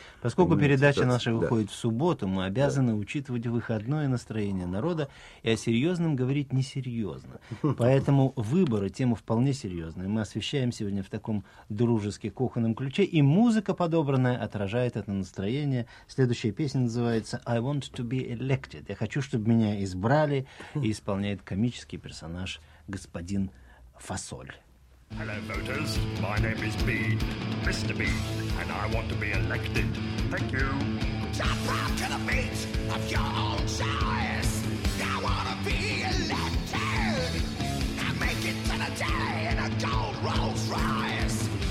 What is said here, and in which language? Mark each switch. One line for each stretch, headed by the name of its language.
Russian: Поскольку передача наша выходит в субботу, мы обязаны учитывать выходное настроение народа и о серьезном говорить несерьезно. Поэтому выборы, тема вполне серьезная. Мы освещаем сегодня в таком дружески кухонном ключе, и музыка подобранная отражает это настроение. Следующая песня называется
English: «I want to be elected».
Russian: «Я хочу, чтобы меня избрали», и исполняет комический персонаж господин Фасоль.
English: Hello voters, my name is Bean, Mr. Bean, and I want to be elected. Thank you. So proud to the beat of your own choice. I want to be elected. I make it to the day in a gold Rolls Royce.